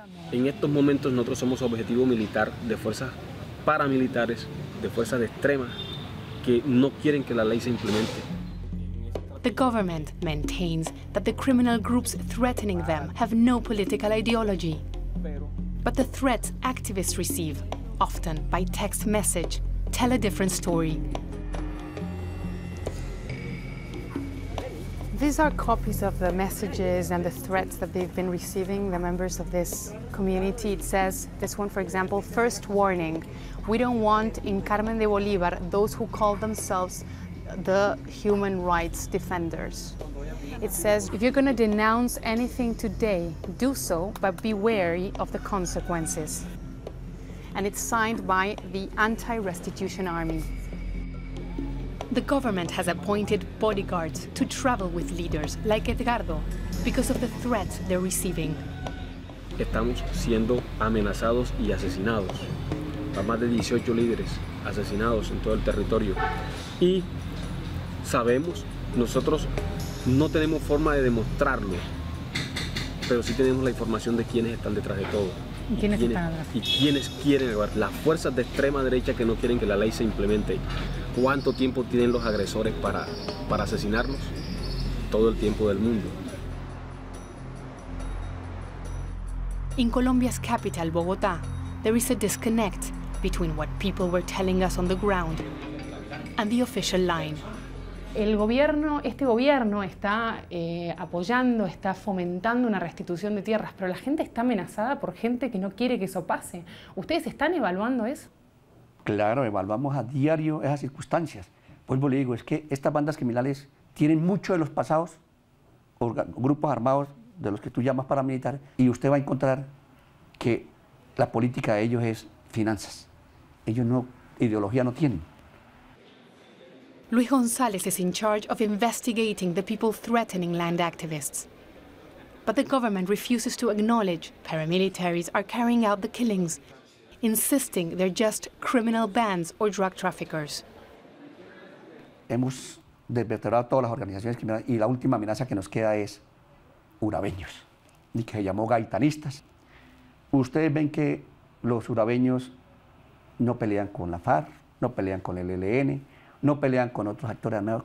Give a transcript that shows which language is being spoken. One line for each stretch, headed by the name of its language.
Spanish: En estos momentos nosotros somos objetivo militar de fuerzas paramilitares, de fuerzas de extrema, que no quieren que la ley se implemente.
English: The government maintains that the criminal groups threatening them have no political ideology. But the threats activists receive, often by text message, tell a different story. These are copies of the messages and the threats that they've been receiving, the members of this community. It says, this one, for example, first warning, we don't want in Carmen de Bolívar those who call themselves the human rights defenders. It says, if you're going to denounce anything today, do so, but be wary of the consequences. And it's signed by the Anti-Restitution Army. The government has appointed bodyguards to travel with leaders like Edgardo because of the threats they're receiving.
Spanish: Estamos siendo amenazados y asesinados. Hay más de 18 líderes asesinados en todo el territorio. Y sabemos Nosotros no tenemos forma de demostrarlo, pero sí tenemos la información de quiénes están detrás de todo. ¿Y quiénes quieren acabar? Las fuerzas de extrema derecha que no quieren que la ley se implemente. ¿Cuánto tiempo tienen los agresores para asesinarlos? Todo el tiempo del mundo.
English: In Colombia's capital, Bogotá, there is a disconnect between what people were telling us on the ground and the official line.
Spanish: El gobierno, este gobierno está apoyando, está fomentando una restitución de tierras, pero la gente está amenazada por gente que no quiere que eso pase. ¿Ustedes están evaluando eso? Claro, evaluamos a diario esas circunstancias. Vuelvo y le digo, es que estas bandas criminales tienen mucho de los pasados, grupos armados de los que tú llamas paramilitar, y usted va a encontrar que la política de ellos es finanzas. Ellos no, ideología no tienen.
English: Luis González is in charge of investigating the people threatening land activists. But the government refuses to acknowledge paramilitaries are carrying out the killings, insisting they're just criminal bands or drug traffickers.
Spanish: Hemos desvertebrado todas las organizaciones criminales y la última amenaza que nos queda es urabeños, y que se llamó gaitanistas. Ustedes ven que los urabeños no pelean con la FARC, no pelean con el ELN, no pelean con otros actores armados.